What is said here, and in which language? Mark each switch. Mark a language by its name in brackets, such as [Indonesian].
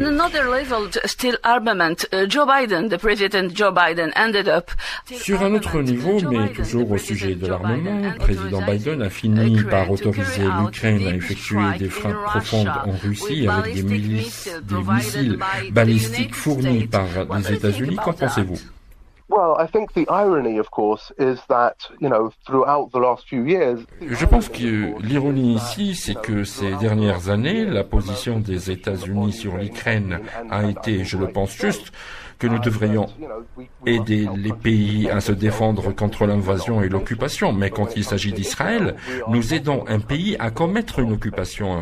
[French] À un autre niveau, [English] still armament, [French] Joe Biden, le président Joe Biden, [English] ended up. [French] Sur un autre niveau, mais toujours au sujet de l'armement, le président Biden a fini par autoriser l'Ukraine à effectuer des frappes profondes en Russie avec des missiles balistiques fournis par les États-Unis. Qu'en pensez-vous? [English] Well, I think the irony, of course, is that, you know, throughout the last few years. [French] Je pense que l'ironie ici, c'est que ces dernières années, la position des États-Unis sur l'Ukraine a été, je le pense juste, que nous devrions aider les pays à se défendre contre l'invasion et l'occupation. Mais quand il s'agit d'Israël, nous aidons un pays à commettre une occupation.